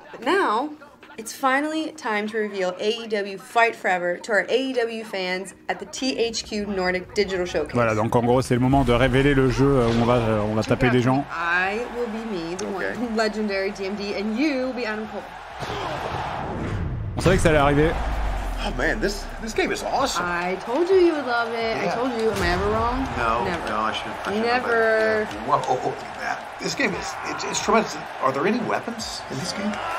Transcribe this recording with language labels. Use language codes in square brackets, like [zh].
[en] But now, it's finally time to reveal AEW Fight Forever to our AEW fans at the THQ Nordic Digital Showcase. [fr] Voilà, donc en gros, c'est le moment de révéler le jeu où on va taper des gens. [en] I will be me, the one legendary DMD, and you will be Adam Cole. [fr] On savait que ça allait arriver. [en] Oh man, this game is awesome. I told you you would love it. Yeah. I told you. Am I ever wrong? No, never. No, I should never. Yeah. Whoa, look at that. This game is tremendous. Are there any weapons in this game?